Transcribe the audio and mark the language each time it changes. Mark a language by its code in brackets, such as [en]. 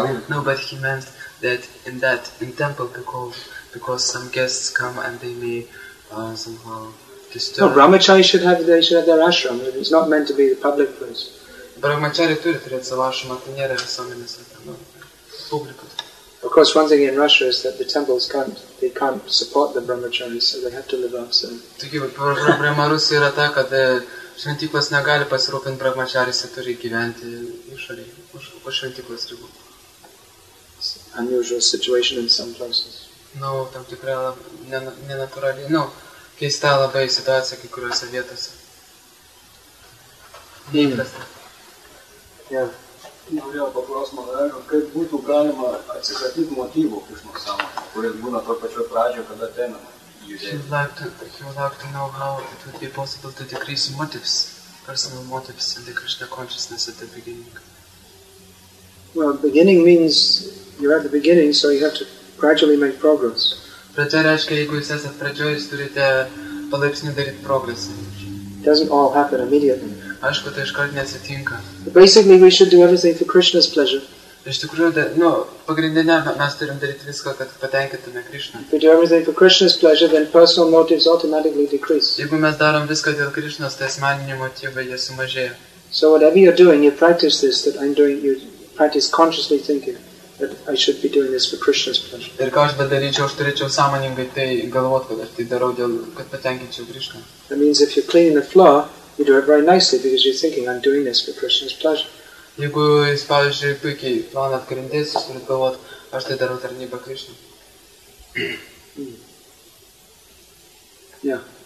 [en] No, but he meant that in temple because some guests come and they may somehow disturb. No, Brahmachari should have their ashram. It's not meant to be the public place. [lt] Brahmachari turi turėti savo ašramą, tai nėra visuomenės vieta. Publikos. [en] Of course, one thing in Russia is that the temples can't support the Brahmacharis, so they have to live outside. [lt] Taigi, problema Rusijoje yra ta, kad šventyklos negali pasirūpinti Brahmacharis, jie turi gyventi išorėje, už šventyklos ribų. [en] Unusual situation in some places. [lt] No, tam tikra nenatūrali, no, keista labai situacija kai kuriuose vietose. Neįprasta. Norėjau paklausimą, kaip būtų galima atsikratyti motyvų iš nuo sąmonės, kuris būna to pačio pradžio, kada ateinama į judėjimą. [en] You would like to know how it would be possible to decrease motives, personal motives in the Krishna consciousness at the beginning. Well, beginning means you're at the beginning, so you have to gradually make progress. [lt] Pradžia reiškia, jeigu jūs esat pradžioj, jūs turite palaipsniui daryti progresą. [en] It doesn't all happen immediately. [lt] Aišku, tai iškart nesitinka. [en] Basically, we should do everything for Krishna's pleasure. [lt] Iš tikrųjų, nu, pagrindinė, mes turim daryti viską, kad patenkintume Krishna. [en] If we do everything for Krishna's pleasure, then personal motives automatically decrease. [lt] Jeigu mes darom viską dėl Krishna's, tai asmeniniai motyvai jie sumažėja. [en] So whatever you're doing, you practice this, that I'm doing, you practice consciously thinking that I should be doing this for Krishna's pleasure. [lt] Ir ką aš bedaryčiau, aš turėčiau sąmoningai tai galvot, kad aš tai darau dėl, kad patenkinčiau Krishna. [en] That means if you're cleaning the floor, you do it very nicely because you're thinking, I'm doing this for Krishna's pleasure. [lt] Jeigu jis, pavyzdžiui, puikiai plaunat grindis, jis turi galvot, aš tai darau tarnybą Krishna.